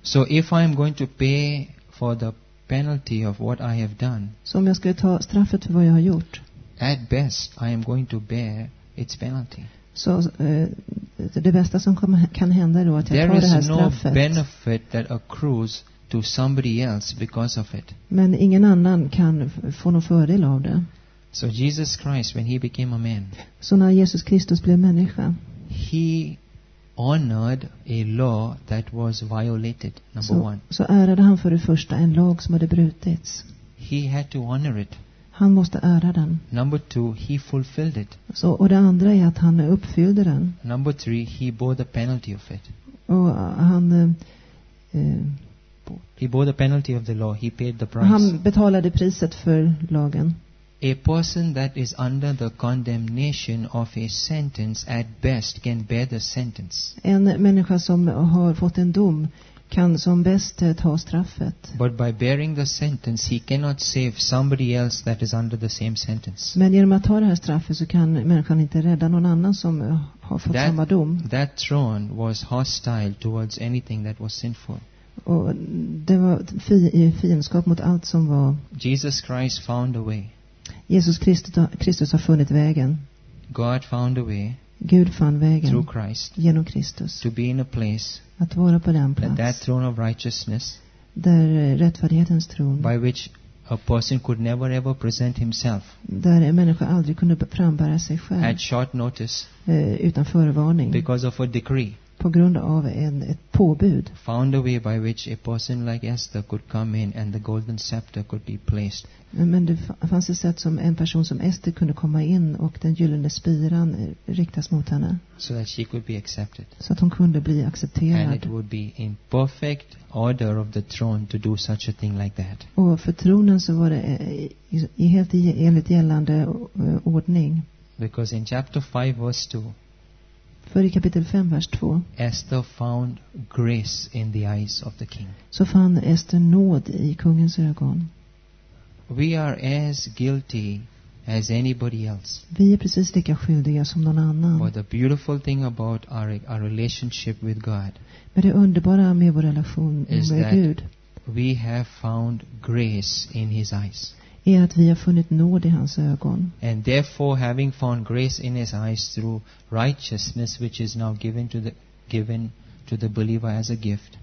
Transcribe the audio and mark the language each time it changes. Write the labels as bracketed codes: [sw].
[en] So if I am going to pay for the penalty of what I have done. [sv] Så om jag ska ta straffet för vad jag har gjort. [en] At best I am going to bear its penalty. [sv] Så det bästa som kan hända då att jag tar det här straffet. [en] There is no benefit that accrues to somebody else because of it. [sv] Men ingen annan kan få någon fördel av det. [en] So Jesus Christ, when he became a man, [sv] så när Jesus Kristus blev människa, [en] he honored a law that was violated, number one. [sv] Så ärade han för det första en lag som hade brutits. [en] He had to honor it. [sv] Han måste ära den. [en] Number two, he fulfilled it. [sv] Så, och det andra är att han uppfyllde den. [en] Number three, he bore the penalty of it. [sv] Och han [en] he bore the penalty of the law. He paid the price. [sv] Han betalade priset för lagen. [en] A person that is under the condemnation of a sentence at best can bear the sentence. [sv] En människa som har fått en dom kan som bäst ta straffet. [en] But by bearing the sentence he cannot save somebody else that is under the same sentence. [sv] Men genom att ta det här straffet så kan människan inte rädda någon annan som har fått [en] that, [sv] samma dom. [en] That throne was hostile towards anything that was sinful. [sv] Och det var fiendskap mot allt som var. [en] Jesus Christ found a way. [sv] Jesus Kristus har funnit vägen. [en] God found a way. [sv] Gud fann vägen. [en] Through Christ. [sv] Genom Kristus. [en] To be in a place. [sv] Att vara på den plats. [en] That throne of righteousness. [sv] Där rättfärdighetens tron. [en] By which a person could never ever present himself. [sv] Där en människa aldrig kunde frambära sig själv. [en] At short notice. [sv] Utan förvarning. [en] Because of a decree. [sv] På grund av ett påbud. [en] Found a way by which a person like Esther could come in and the golden scepter could be placed. [sv] Men det fanns ett sätt som en person som Esther kunde komma in och den gyllene spiran riktas mot henne. [en] So that she could be accepted. [sv] Så att hon kunde bli accepterad. [en] And it would be in perfect order of the throne to do such a thing like that. [sv] Och för tronen så var det i helt enligt gällande ordning. [en] Because in chapter 5 verse 2. [sv] För i kapitel 5 vers 2. [en] Esther found grace in the eyes of the king. [sv] Så fann Esther nåd i kungens ögon. [en] We are as guilty as anybody else. [sv] Vi är precis lika skyldiga som någon annan. [en] But the beautiful thing about our relationship with God. [sv] Men det underbara med vår relation med Gud. [en] We have found grace in his eyes. [sv] Är att vi har funnit nåd i hans ögon. [en] And therefore having found grace in his eyes through righteousness which is now given to the believer as a gift.